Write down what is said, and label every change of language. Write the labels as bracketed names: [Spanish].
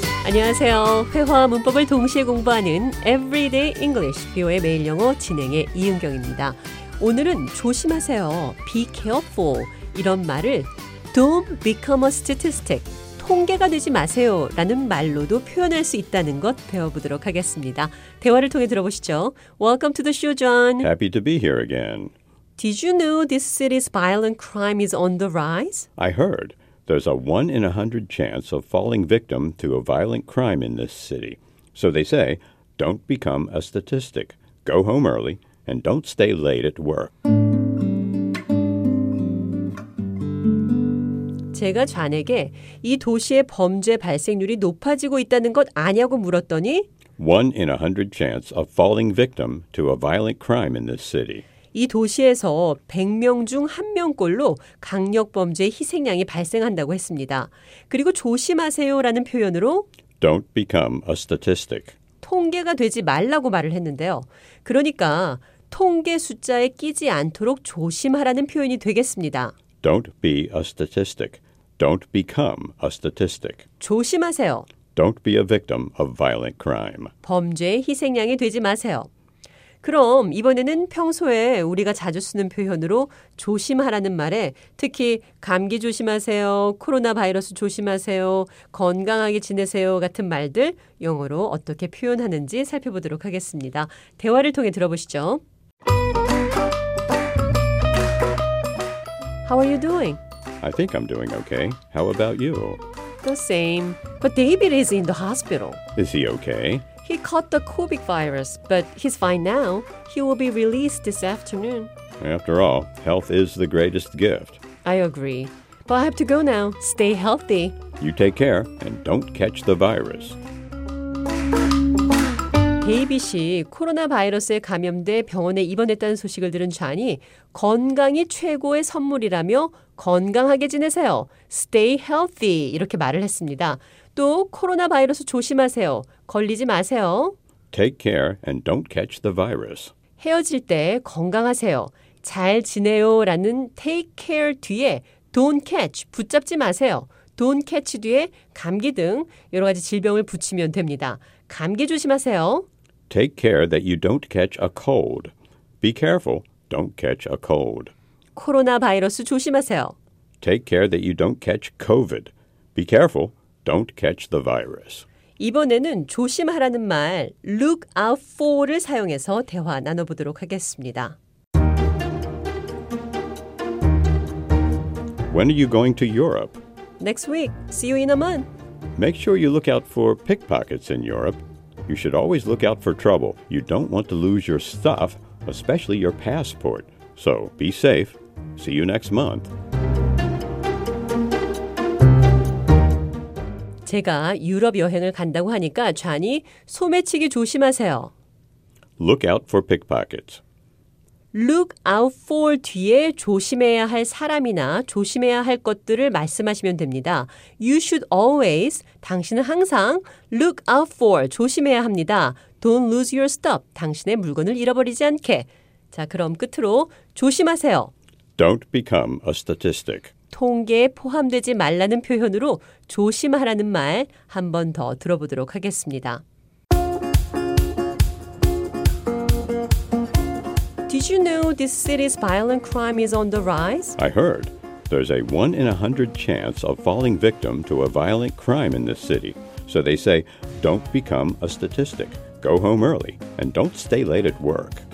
[Korean] 안녕하세요. 회화 문법을 동시에 공부하는 Everyday English, VOA 매일 영어 진행의 이은경입니다. 오늘은 조심하세요. [English] Be careful. [Korean] 이런 말을 [English] Don't become a statistic. [Korean] 통계가 되지 마세요. 라는 말로도 표현할 수 있다는 것 배워보도록 하겠습니다. 대화를 통해 들어보시죠. [English] Welcome to the show, John. Happy to be here again. Did you know this city's violent crime is on the rise? I heard. There's a 1 in 100 chance of falling victim to a violent crime in this city. So they say, don't become a statistic. Go home early. And don't stay late at work. [Korean] 제가 존에게 이 도시의 범죄 발생률이 높아지고 있다는 것 아냐고 물었더니 [English] 1 in 100 chance of falling victim to a violent crime in this city. [Korean] 이 도시에서 100명 중 1명꼴로 강력 범죄의 희생양이 발생한다고 했습니다. 그리고 조심하세요라는 표현으로 [English] Don't become a statistic. [Korean] 통계가 되지 말라고 말을 했는데요. 그러니까 통계 숫자에 끼지 않도록 조심하라는 표현이 되겠습니다. [English] Don't be a statistic. Don't become a statistic. [Korean] 조심하세요. [English] Don't be a victim of violent crime. [Korean] 범죄의 희생양이 되지 마세요. 그럼 이번에는 평소에 우리가 자주 쓰는 표현으로 조심하라는 말에 특히 감기 조심하세요, 코로나 바이러스 조심하세요, 건강하게 지내세요 같은 말들 영어로 어떻게 표현하는지 살펴보도록 하겠습니다. 대화를 통해 들어보시죠. [English] How are you doing? I think I'm doing okay. How about you? The same. But David is in the hospital. Is he okay? He caught the COVID virus, but he's fine now. He will be released this afternoon. After all, health is the greatest gift. I agree. But I have to go now. Stay healthy. You take care and don't catch the virus. [Korean] 데이비 씨, 코로나 바이러스에 감염돼 병원에 입원했다는 소식을 들은 존이 건강이 최고의 선물이라며 건강하게 지내세요. [English] Stay healthy. [Korean] 이렇게 말을 했습니다. 또 코로나 바이러스 조심하세요. 걸리지 마세요. [English] Take care and don't catch the virus. [Korean] 헤어질 때 건강하세요. 잘 지내요 라는 [English] take care [Korean] 뒤에 [English] don't catch, [Korean] 붙잡지 마세요. [English] Don't catch [Korean] 뒤에 감기 등 여러 가지 질병을 붙이면 됩니다. 감기 조심하세요. [English] Take care that you don't catch a cold. Be careful, don't catch a cold. [Korean] 코로나 바이러스 조심하세요. [English] Take care that you don't catch COVID. Be careful, don't catch the virus. [Korean] 이번에는 조심하라는 말 [English] look out for [Korean] 를 사용해서 대화 나눠보도록 하겠습니다. [English] When are you going to Europe? Next week. See you in a month. Make sure you look out for pickpockets in Europe. You should always look out for trouble. You don't want to lose your stuff, especially your passport. So be safe. See you next month. [Korean] 제가 유럽 여행을 간다고 하니까 존이 소매치기 조심하세요. [English] Look out for pickpockets. Look out for [Korean] 뒤에 조심해야 할 사람이나 조심해야 할 것들을 말씀하시면 됩니다. [English] You should always, [Korean] 당신은 항상 [English] look out for, [Korean] 조심해야 합니다. [English] Don't lose your stuff, [Korean] 당신의 물건을 잃어버리지 않게. 자, 그럼 끝으로 조심하세요. [English] Don't become a statistic. [Korean] 통계에 포함되지 말라는 표현으로 조심하라는 말 한 번 더 들어보도록 하겠습니다. [English] Did you know this city's violent crime is on the rise? I heard. There's a 1 in 100 chance of falling victim to a violent crime in this city. So they say, don't become a statistic. Go home early and don't stay late at work.